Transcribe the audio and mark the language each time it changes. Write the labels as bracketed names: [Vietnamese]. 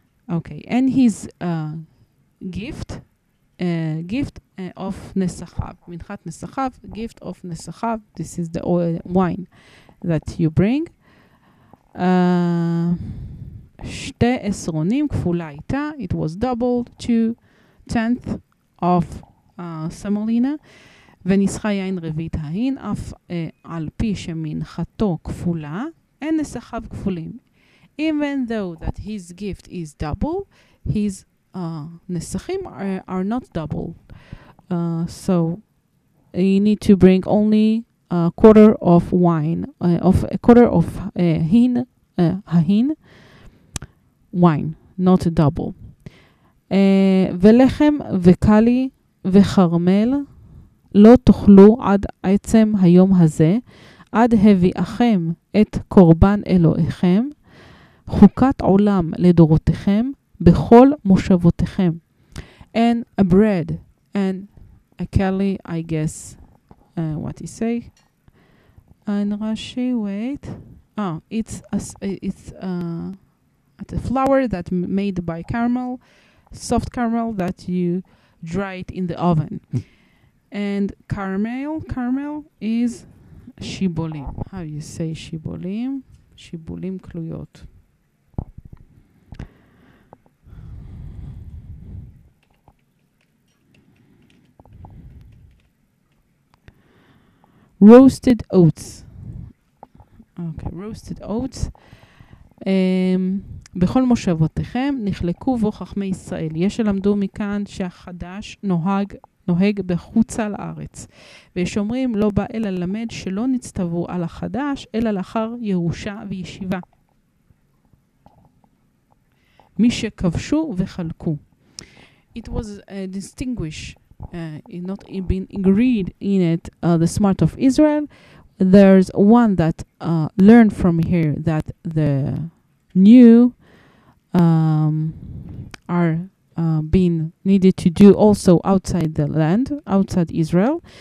[English] Okay, and his gift of nesachav, minchat nesachav, gift of nesachav, this is the oil wine that you bring. [Hebrew] Shte esronim kfula ita, [English] it was doubled, 2/10 of semolina. [Hebrew] וניסחה יין רבית ההין, אף על פי שמנחתו כפולה, אין נסחיו כפולים. [English] Even though that his gift is double, his נסחים are not double. So you need to bring only a quarter of wine, of a quarter of hin, ההין, wine, not a double. [Hebrew] ולחם וקלי וחרמל לא תאכלו עד עצם היום הזה, עד הביאכם את קורבן אלוהיכם, חוקת עולם לדורותיכם, בכל מושבותיכם. [English] And a bread, and a keli, I guess, what he say? And Rashi, wait. Oh, it's a flour that made by caramel, soft caramel that you dry it in the oven. And caramel is shibolim. How you say shibolim? [Hebrew] Shibolim kluyot. [English] Roasted oats. Okay, roasted oats. [Hebrew] בכל מושבותיכם נחלקו בו חכמי ישראל. יש שלמדו מכאן שהחדש נוהג בחוצה לארץ. ויש אומרים לא בא אלא למד שלא נצטבו על החדש, אלא לאחר ירושה וישיבה. מי שכבשו וחלקו. [English] It was distinguished, not been agreed in it, the smart of Israel. There's one that learned from here that the new are being needed to do also outside the land, outside Israel.